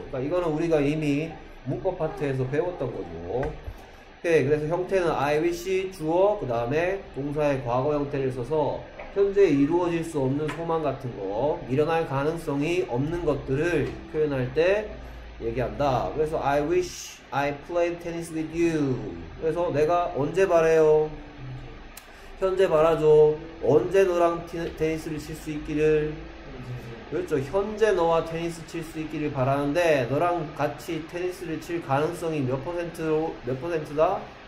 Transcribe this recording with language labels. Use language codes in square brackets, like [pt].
[ko] 그러니까 이거는 우리가 이미 문법 파트에서 배웠던 거죠. 오케이. 그래서 형태는 I wish 주어, 그 다음에 동사의 과거 형태를 써서 현재 이루어질 수 없는 소망 같은 거, 일어날 가능성이 없는 것들을 표현할 때 얘기한다. [en] 그래서 I wish I played tennis with you. [ko] 그래서 내가 언제 바래요? 현재 바라죠. 언제 너랑 테니스를 칠수 있기를. 그렇죠. 현재 너와 테니스 칠수 있기를 바라는데, 너랑 같이 테니스를 칠 가능성이 몇 퍼센트로, 몇 퍼센트다?